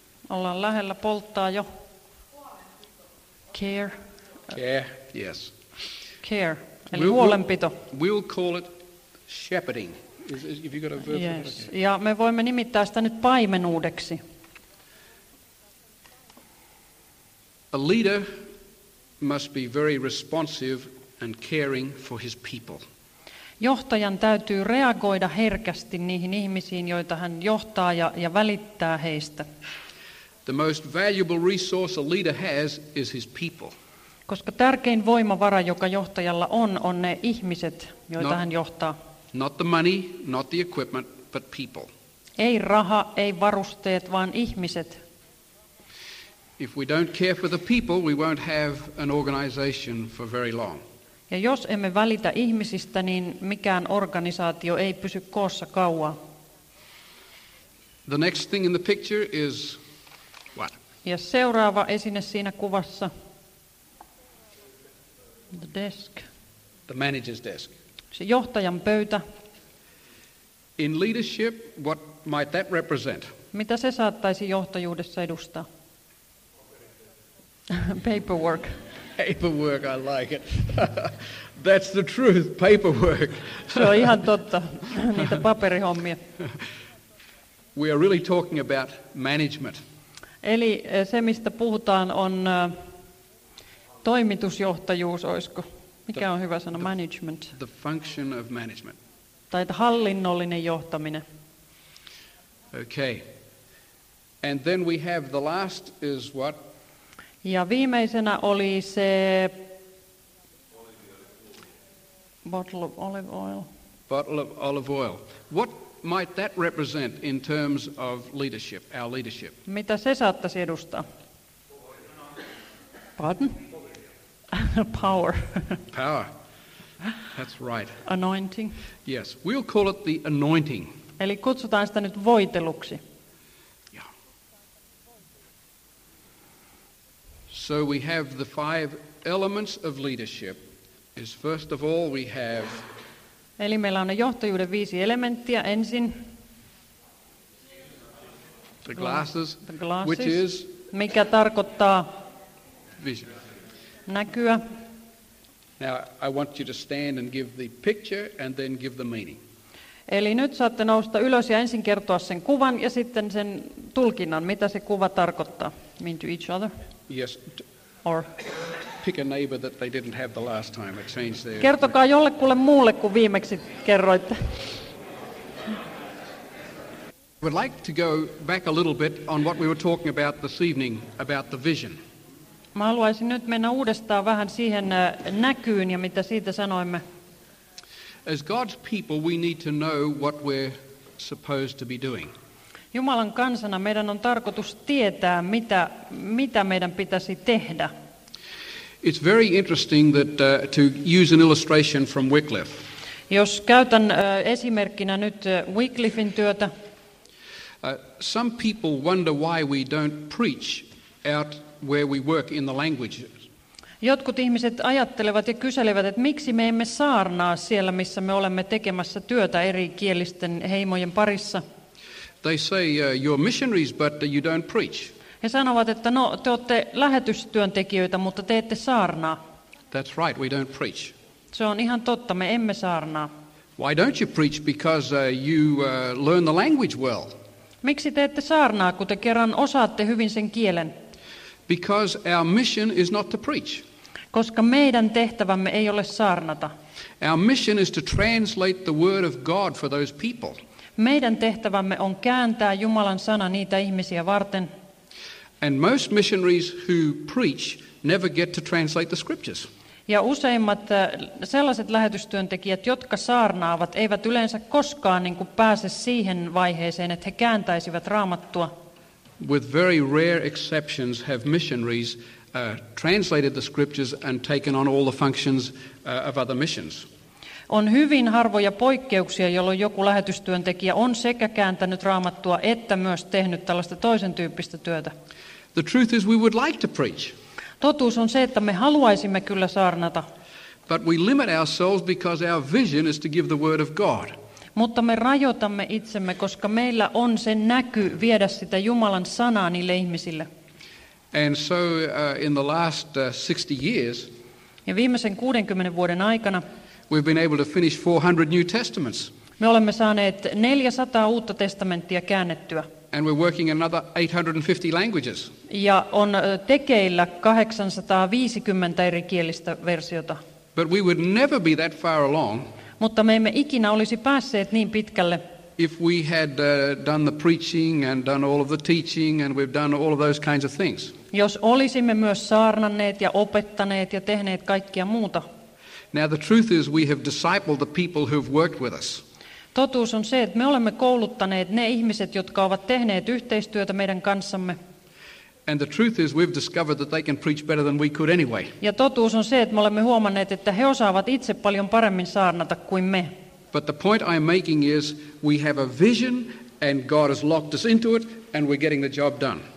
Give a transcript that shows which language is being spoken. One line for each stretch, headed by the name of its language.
Finnish: Ollaan lähellä polttaa jo.
English: Care. Care, yes.
Finnish: Care, eli huolenpito.
English: We'll call it shepherding. If you got a verb. Yes.
Finnish: Ja me voimme nimittää sitä nyt paimenuudeksi.
English: A leader must be very responsive and caring for his people.
Finnish: Johtajan täytyy reagoida herkästi niihin ihmisiin, joita hän johtaa ja välittää heistä.
English: The most valuable resource a leader has is his people.
Finnish: Koska tärkein voimavara, joka johtajalla on ne ihmiset, joita hän johtaa.
English: Not the money, not the equipment, but people.
Finnish: Ei raha, ei varusteet, vaan ihmiset.
English: If we don't care for the people, we won't have an organization for very long.
Finnish: Ja jos emme välitä ihmisistä, niin mikään organisaatio ei pysy koossa kauan.
English: The next thing in the picture is what?
Finnish: Ja seuraava esine siinä kuvassa.
English: The desk. The manager's desk.
Finnish: Se johtajan pöytä.
English: In leadership, what might that represent?
Finnish: Mitä se saattaisi johtajuudessa edustaa?
English: Paperwork. Paperwork, I like it. That's the truth, paperwork.
Finnish: Se on ihan totta, niitä paperihommia.
English: We are really talking about management.
Finnish: Eli se, mistä puhutaan, on toimitusjohtajuus, olisiko? Mikä on hyvä sana? Management.
English: The function of management.
Finnish: Tai hallinnollinen johtaminen.
English: Okay. And then we have the last is what?
Finnish: Ja viimeisenä oli se
English: bottle of olive oil. Bottle of olive oil. What might that represent in terms of leadership, our leadership?
Finnish: Mitä se saattaisi edustaa?
English: Pardon? Power. Power. That's right. Anointing. Yes, we'll call it the anointing.
Finnish: Eli kutsutaan sitä nyt voiteluksi.
English: Yeah. So we have the five elements of leadership. Is first of all we have.
Finnish: Eli meillä on ne johtajuuden viisi elementtiä ensin.
English: The glasses. The glasses. Which is.
Finnish: Mikä tarkoittaa.
English: Vision.
Finnish: Näkyä.
English: Now I want you to stand and give the picture and then give the meaning.
Finnish: Eli nyt saatte nousta ylös ja ensin kertoa sen kuvan ja sitten sen tulkinnan, mitä se kuva tarkoittaa.
English: Mean to each other? Yes. Or pick a neighbor that they didn't have the last time. It changed their.
Finnish: Kertokaa jollekulle muulle kuin viimeksi kerroitte.
English: I would like to go back a little bit on what we were talking about this evening about the vision.
Finnish: Mä haluaisin nyt mennä uudestaan vähän siihen näkyyn ja mitä siitä sanoimme.
English: As God's people, we need to know what we're supposed to be doing.
Finnish: Jumalan kansana meidän on tarkoitus tietää mitä meidän pitäisi tehdä.
English: It's very interesting that to use an illustration from Wycliffe.
Finnish: Jos käytän esimerkkinä nyt Wycliffen työtä.
English: Some people wonder why we don't preach out where we work in the languages.
Finnish: Jotkut ihmiset ajattelevat ja kyselevät, että miksi me emme saarnaa siellä, missä me olemme tekemässä työtä eri kielisten heimojen parissa.
English: They say you're missionaries, but you don't preach.
Finnish: He sanovat, että no, te olette lähetystyöntekijöitä, mutta te ette saarnaa.
English: That's right, we don't preach.
Finnish: Se on ihan totta, me emme saarnaa.
English: Why don't you preach? Because you learn the language well.
Finnish: Miksi te ette saarnaa, kun te kerran osaatte hyvin sen kielen?
English: Because our mission is not to preach.
Finnish: Koska meidän tehtävämme ei ole saarnata.
English: Our mission is to translate the word of God for those people.
Finnish: Meidän tehtävämme on kääntää Jumalan sana niitä ihmisiä varten.
English: And most missionaries who preach never get to translate the scriptures.
Finnish: Ja useimmat sellaiset lähetystyöntekijät, jotka saarnaavat, eivät yleensä koskaan niin kuin pääse siihen vaiheeseen, että he kääntäisivät Raamattua.
English: With very rare exceptions have missionaries translated the scriptures and taken on all the functions of other missions.
Finnish: On hyvin harvoja poikkeuksia, jolloin joku lähetystyöntekijä on sekä kääntänyt Raamattua että myös tehnyt tällaista toisen tyyppistä työtä.
English: The truth is we would like to preach.
Finnish: Totuus on se, että me haluaisimme kyllä saarnata.
English: But we limit ourselves because our vision is to give the word of God.
Finnish: Mutta me rajoitamme itsemme, koska meillä on se näky viedä sitä Jumalan sanaa niille ihmisille.
English: And so in the last 60 years.
Finnish: Ja viimeisen 60 vuoden aikana.
English: We've been able to finish 400 New Testaments.
Finnish: Me olemme saaneet 400 uutta testamenttia käännettyä.
English: And we're working another 850 languages.
Finnish: Ja on tekeillä 850 eri kielistä versiota.
English: But we would never be that far along.
Finnish: Mutta me emme ikinä olisi päässeet niin pitkälle.
English: If we had done the preaching and done all of the teaching and we've done all of those kinds of things.
Finnish: Jos olisimme myös saarnanneet ja opettaneet ja tehneet kaikkia muuta.
English: Now the truth is we have discipled the people who've worked with us.
Finnish: Totuus on se, että me olemme kouluttaneet ne ihmiset, jotka ovat tehneet yhteistyötä meidän kanssamme.
English: And the truth is we've discovered that they can preach better than we could anyway.
Finnish: Ja totuus on se, että me olemme huomanneet, että he osaavat itse paljon paremmin saarnata kuin me.
English: But the point I'm making is we have a vision and God has locked us into it and we're getting the job done.